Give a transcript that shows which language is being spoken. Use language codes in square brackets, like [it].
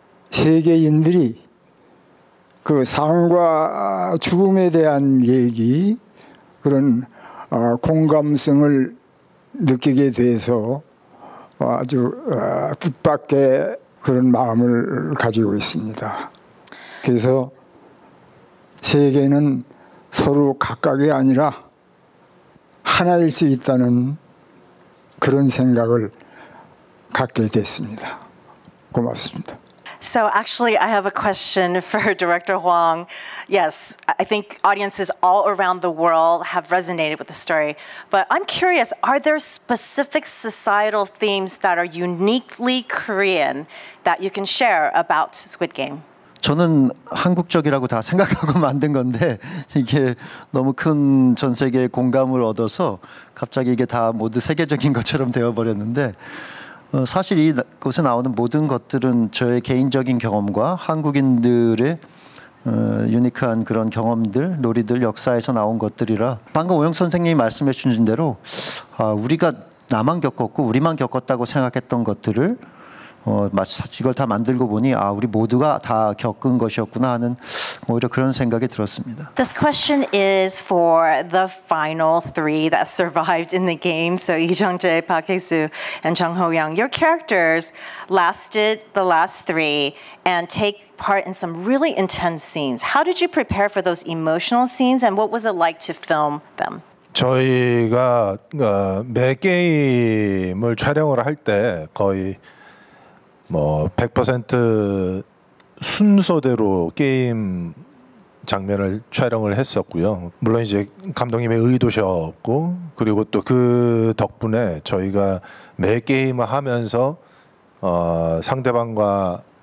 [ko] 세계인들이 그 삶과 죽음에 대한 얘기 그런 공감성을 느끼게 돼서 아주 뜻밖의 그런 마음을 가지고 있습니다. 그래서 세계는 서로 각각이 아니라 하나일 수 있다는 그런 생각을 갖게 됐습니다. 고맙습니다. [en] So actually, I have a question for Director Hwang. Yes, I think audiences all around the world have resonated with the story. But I'm curious, are there specific societal themes that are uniquely Korean that you can share about Squid Game? [ko] 저는 한국적이라고 다 생각하고 만든 건데 이게 너무 큰 전 세계의 공감을 얻어서 갑자기 이게 다 모두 세계적인 것처럼 되어버렸는데 사실 이곳에 나오는 모든 것들은 저의 개인적인 경험과 한국인들의 유니크한 그런 경험들, 놀이들, 역사에서 나온 것들이라 방금 오영 선생님이 말씀해 주신 대로 우리가 나만 겪었고 우리만 겪었다고 생각했던 것들을 이걸 다 만들고 보니 우리 모두가 다 겪은 것이었구나 하는 오히려 그런 생각이 들었습니다. [en] This question is for the final three that survived in the game. So Lee Jung-jae, Park Hae-soo, and Jung Ho-yeon. Your characters lasted the last three and take part in some really intense scenes. How did you prepare for those emotional scenes and what was it like to film them? [ko] 저희가 매 게임을 촬영을 할 때 거의 100% 순서대로 게임 장면을 촬영을 했었고요. 물론 이제 감독님의 의도셨고 그리고 또 그 덕분에 저희가 매 게임을 하면서 상대방과